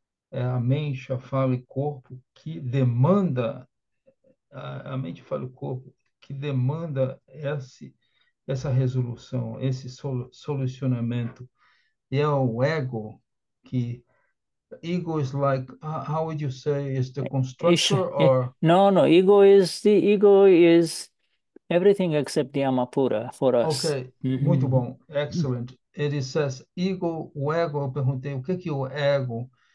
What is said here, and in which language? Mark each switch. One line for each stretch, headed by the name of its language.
Portuguese: É a mente, a fala e corpo que demanda, a mente, fala e corpo que demanda essa resolução, esse solucionamento. E é o ego que.
English: Ego is like, how would you say, is the constructor or. No, ego is everything except the Amapura for us.
Portuguese: Ok, muito bom, excellent. Ele says, ego, o ego, eu perguntei, o que que o ego.